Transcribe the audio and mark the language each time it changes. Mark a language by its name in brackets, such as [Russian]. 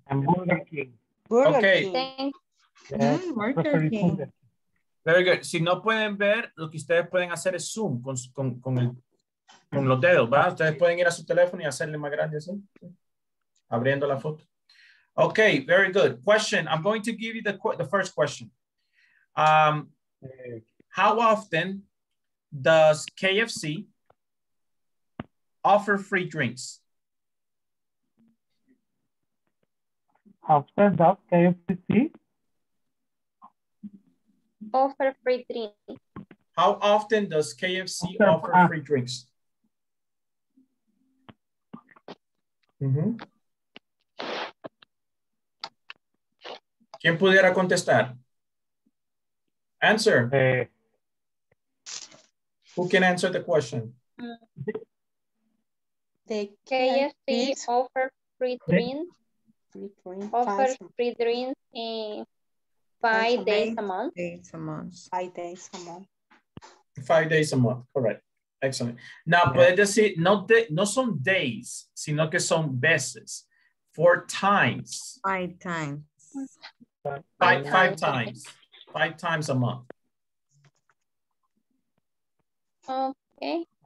[English] And Burger King. Burger okay. King. Mm, Burger King. Very good. [Spanish] Si no pueden ver, lo que ustedes pueden hacer es Zoom con los dedos, ¿va? Ustedes pueden ir a su teléfono y hacerle más grande así, abriendo la foto. [English] Okay, very good. Question. I'm going to give you the first question. How often does KFC offer free drinks? How often does KFC offer free drinks? How often does KFC offer free drinks? [Spanish] Mm-hmm. ¿Quién pudiera contestar? [English] Answer. Who can answer the question? The KFC offer free drinks in 5 days a month. Correct. Excellent. Now, yeah. [Spanish] Puede decir, no son days, sino que son veces. [English] Five times a month. Okay.